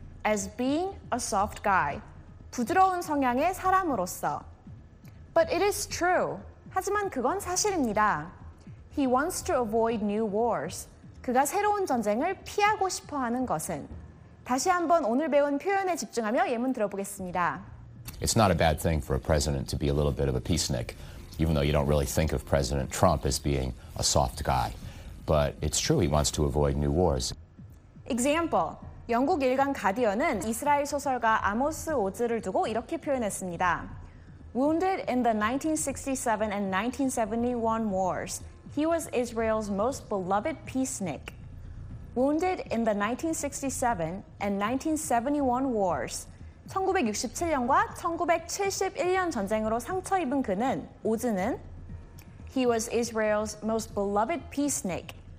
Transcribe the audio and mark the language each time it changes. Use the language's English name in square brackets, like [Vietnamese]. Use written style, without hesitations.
[English] As being a soft guy, [Korean] 부드러운 성향의 사람으로서. [English] But it is true. [Korean] 하지만 그건 사실입니다. [English] He wants to avoid new wars. [Korean] 그가 새로운 전쟁을 피하고 싶어 하는 것은. 다시 한번 오늘 배운 표현에 집중하며 예문 들어보겠습니다. [English] It's not a bad thing for a president to be a little bit of a peacenik. Even though you don't really think of President Trump as being a soft guy. But it's true he wants to avoid new wars. [Korean] Example, 영국 일간 가디언은 이스라엘 소설가 아모스 오즈를 두고 이렇게 표현했습니다. [English] Wounded in the 1967 and 1971 wars, he was Israel's most beloved peacenik. Wounded in the 1967 and 1971 wars, [Korean] 1967년과 1971년 전쟁으로 상처 입은 그는 오즈는 [English] He was Israel's most beloved peacenik.